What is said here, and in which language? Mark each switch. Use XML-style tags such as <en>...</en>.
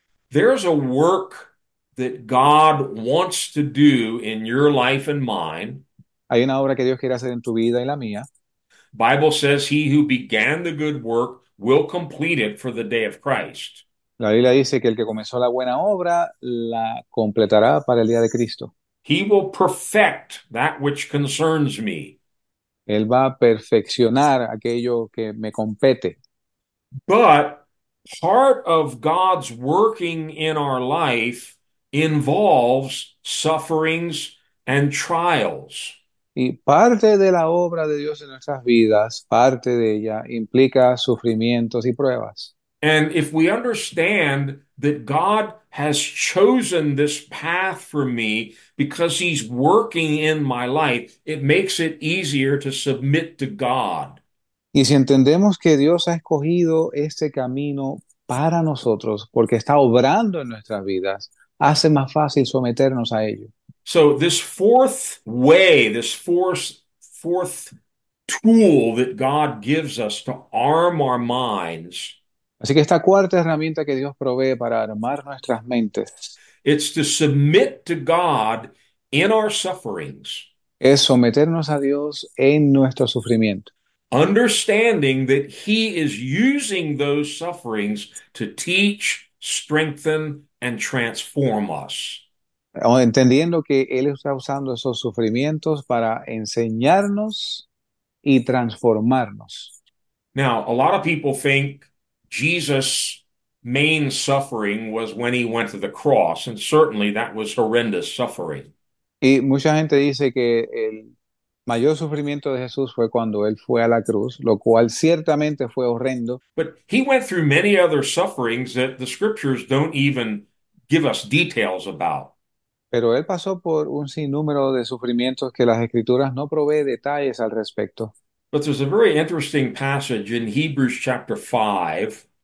<en>There's a work that God wants to do in your life and mine.</en> <es>Hay una obra que Dios quiere hacer en tu vida y la mía.</es> <en>Bible says he who began the good work will complete it for the day of Christ.</en> <es>La Biblia dice que el que comenzó la buena obra la completará para el día de Cristo.</es> <en>He will perfect that which concerns me.</en> <es>Él va a perfeccionar aquello que me compete.</es> <en>But Part of God's working in our life involves sufferings and trials.</en> <es>Y parte de la obra de Dios en nuestras vidas, parte de ella implica sufrimientos y pruebas.</es> <en>And if we understand that God has chosen this path for me because he's working in my life, it makes it easier to submit to God.</en> <es>Y si entendemos que Dios ha escogido este camino para nosotros, porque está obrando en nuestras vidas, hace más fácil someternos a ello.</es> <en>So this fourth way, this fourth tool that God gives us to arm our minds,</en> <es>Así que esta cuarta herramienta que Dios provee para armar nuestras mentes</es> <en>it's to submit to God in our sufferings,</en> <es>es someternos a Dios en nuestro sufrimiento.</es> <en>understanding that He is using those sufferings to teach, strengthen, and transform us.</en> <es>Entendiendo que Él está usando esos sufrimientos para enseñarnos y transformarnos.</es> <en>Now, a lot of people think Jesus' main suffering was when he went to the cross, and certainly that was horrendous suffering.</en> <es>Y mucha gente dice que el mayor sufrimiento de Jesús fue cuando él fue a la cruz, lo cual ciertamente fue horrendo.</es> <en>But he went through many other sufferings that the scriptures don't even give us details about.</en> <es>Pero él pasó por un sinnúmero de sufrimientos que las escrituras no proveen detalles al respecto.</es> <en>But there's a very interesting passage in Hebrews chapter 5.</en>